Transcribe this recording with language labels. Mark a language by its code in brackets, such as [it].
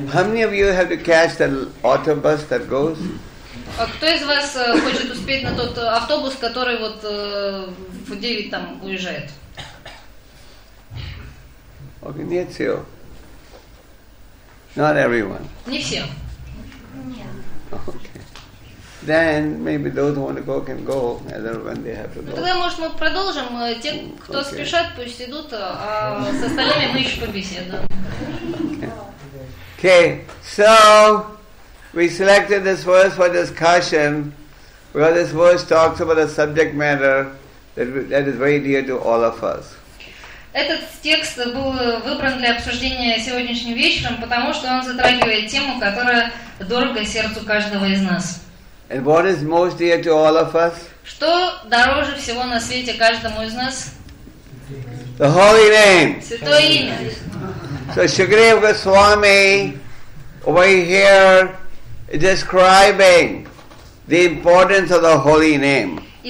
[en] How many of you have to catch the autobus that goes? [ru] Кто из вас хочет успеть на тот автобус, который вот в 9 там уезжает? [en] Okay, [ru] нет, все. [en] Not everyone. [ru] Не все. [en] Okay. Then maybe those who want to go can go, either when they have to go. [ru] Тогда, может, мы продолжим. Те, кто okay. спешат, пусть идут, а с остальными мы еще побеседуем. [en] Okay, so we selected this verse for discussion because this verse talks about a subject matter that is very dear to all of us. [ru] Этот текст был выбран для обсуждения сегодняшним вечером, потому что он затрагивает тему, которая дорога сердцу каждого из нас. [en] And what is most dear to all of us? [ru] Что дороже всего на свете каждому из нас? [en] The holy name. [ru] Святое имя. [en] So Shukadev Goswami over here is describing the importance of the holy name.